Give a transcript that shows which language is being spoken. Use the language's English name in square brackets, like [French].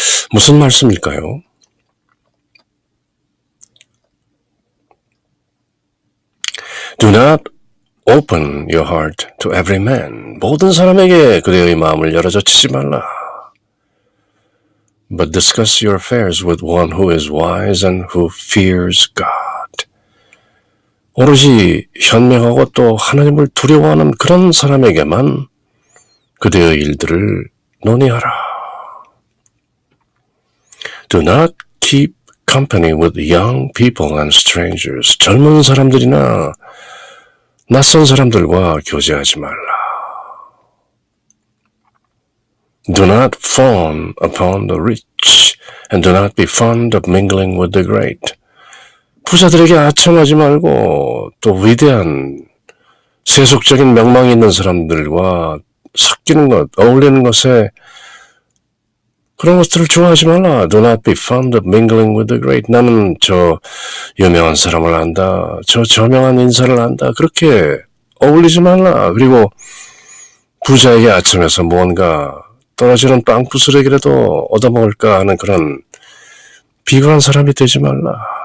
[Korean] 무슨 말씀일까요? [English] 오픈 your heart to every man. [Korean] 모든 사람에게 그대의 마음을 열어젖히지 말라. [English] But discuss your affairs with one who is wise and who fears God. [Korean] 오로지 현명하고 또 하나님을 두려워하는 그런 사람에게만 그대의 일들을 논의하라. [English] Do not keep company with young people and strangers. [Korean] 젊은 사람들이나 낯선 사람들과 교제하지 말라. [English] Do not fawn upon the rich, and do not be fond of mingling with the great. [Korean] 부자들에게 아첨하지 말고 또 위대한 세속적인 명망이 있는 사람들과 섞이는 것, 어울리는 것에 그런 것들을 좋아하지 말라. [English] Do not be fond of mingling with the great. [Korean] 나는 저 유명한 사람을 안다. 저 저명한 인사를 안다. 그렇게 어울리지 말라. 그리고 부자에게 아침에서 무언가 떨어지는 빵꾸 쓰레기라도 얻어먹을까 하는 그런 비굴한 사람이 되지 말라.